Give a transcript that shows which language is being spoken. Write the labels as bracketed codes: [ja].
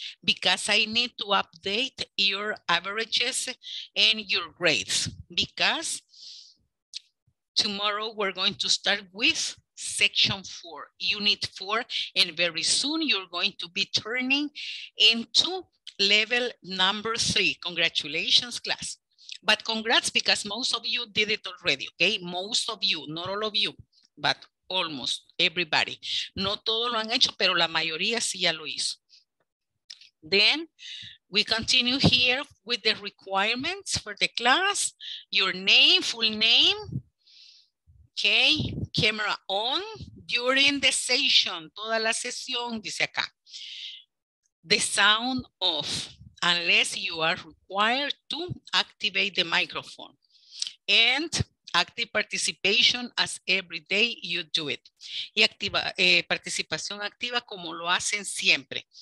[en] Because I need to update your averages and your grades, because tomorrow we're going to start with section 4, unit 4, and very soon you're going to be turning into level number 3. Congratulations, class. But congrats, because most of you did it already, okay? Most of you, not all of you, but almost everybody. [es] No todo lo han hecho, pero la mayoría sí ya lo hizo. [en] Then we continue here with the requirements for the class. Your name, full name. Okay, camera on during the session, [es] toda la sesión, dice acá. [en] The sound off, unless you are required to activate the microphone. And active participation as every day you do it. [es] Y activa, participación activa como lo hacen siempre.